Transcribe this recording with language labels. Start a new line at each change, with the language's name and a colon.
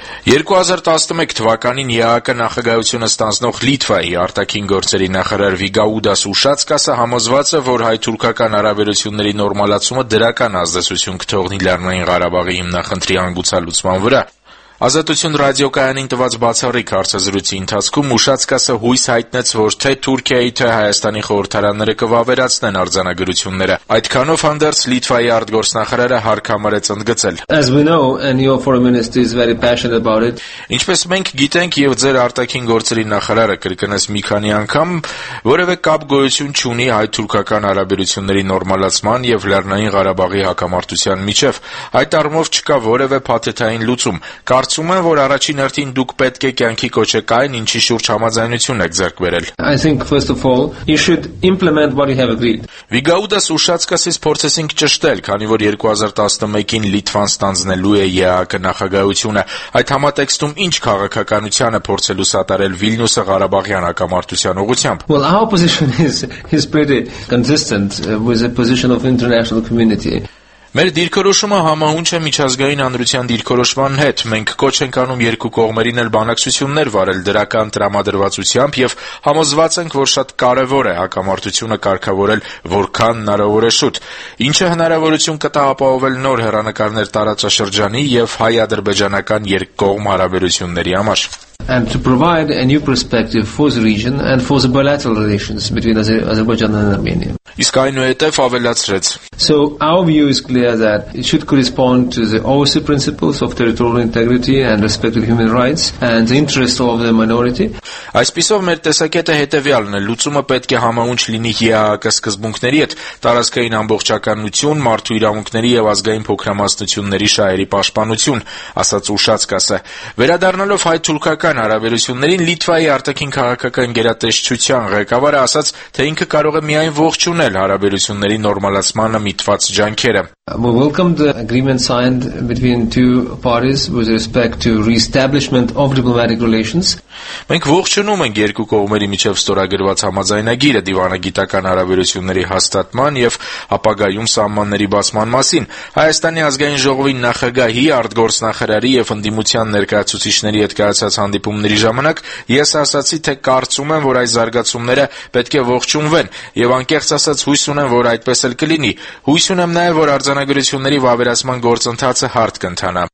Armenian: 2011 թվականին ԵԱՀԿ նախագահությունը ստանձնող Լիտվայի արտաքին գործերի նախարար Վիգաուդաս Ուշացկասը համոզված է, որ հայ-թուրքական հարաբերությունների նորմալացումը դրական ազդեցություն կթողնի Լեռնային Ղարաբաղի հիմնախնդրի անգուցալուծման վրա։ Ազատություն ռադիոկայանին տված բացառիկ հարցազրույցի ընթացքում Ուշացկասը հույս հայտնեց, որ թե Թուրքիայի, թե Հայաստանի խորհրդարանները կվավերացնեն արձանագրությունները։ Այդքանով հանդերձ Լիտվայի արտգործնախարարը հարկամարեց ընդգծել.
English: As we know, and your foreign minister is very passionate about it.
Armenian: Ինչպես մենք գիտենք, եւ ձեր արտաքին գործերի նախարարը կրկնեց մի քանի անգամ, որևէ կապ գոյություն չունի հայ-թուրքական հարաբերությունների նորմալացման եւ Լեռնային Ղարաբաղի հակամարտության միջև, այդ առումով չկա որևէ փաթեթային լուծում։ Կարծում եմ, որ առաջին հերթին դուք պետք է կյանքի կոչեք այն, ինչի շուրջ համաձայնություն եք ձեռք բերել։
English: I think first of all, you should implement what you have agreed.
Armenian: Վիգաուդաս Ուշացկասից փորձեցինք ճշտել, քանի որ 2011-ին Լիտվան ստանձնելու է ԵԱՀԿ նախագահությունը, այդ համատեքստում ինչ քաղաքականությանը փորձելու սատարել Վիլնյուսը Ղարաբաղյան հակամարտության ուղղությամբ։
English: Well, our position is pretty consistent with the position of international community.
Armenian: Մեր դիրքորոշումը համահունչ է միջազգային անդրության դիրքորոշման հետ։ Մենք կոչ ենք անում երկու կողմերին էլ բանակցություններ վարել դրական տրամադրվածությամբ եւ համոզված ենք, որ շատ կարեւոր է հակամարտությունը կարգավորել որքան հնարավոր է շուտ։ Ինչը հնարավորություն կտա ապահովել նոր հեռանկարներ տարածաշրջանի եւ հայ-ադրբեջանական երկկողմ հարաբերությունների համար։
English: And to provide a new perspective for the region and for the bilateral relations between Azerbaijan and Armenia.
Armenian: Իսկ այնուհետև ավելացրեց.
English: So our view is clear that it should correspond to the OSCE principles of territorial integrity and respect for human rights and the interests of the minority.
Armenian: Այսպիսով մեր տեսակետը հետևյալն է. Լուծումը պետք է համաունչ լինի ԵԱՀԿ սկզբունքների հետ, տարածքային ամբողջականություն, մարդու իրավունքների եւ ազգային փոքրամասնությունների շահերի պաշտպանություն, ասաց Ուշացկասը։ Վերադառնալով հայ-թուրքական հարաբերություններին Լիտվայի արտաքին քաղաքական գերատեսչության ղեկավարը ասաց, թե ինքը կարող է միայն ողջունել հարաբերությունների նորմալացմանը միտված ջանքերը։
English: We welcome the agreement signed between two parties with respect to re-establishment of diplomatic relations.
Armenian: Մենք ողջունում ենք երկու կողմերի միջև ստորագրված համաձայնագիրը դիվանագիտական հարաբերությունների հաստատման եւ ապագայում սահմանների բացման մասին։ Հայաստանի ազգային ժողովի նախագահի արտգործնախարարի եւ ընդդիմության ներկայացուցիչների հետ կայացած հանդիպումների ժամանակ ես ասացի, թե կարծում եմ, որ այս զարգացումները պետք է ողջունվեն եւ անկեղծ ասած հույս ունեմ, որ այդպես էլ կլինի։ Հույս ունեմ նաեւ, որ արձանագրությունների վավերացման գործընթացը հարթ կընթանա։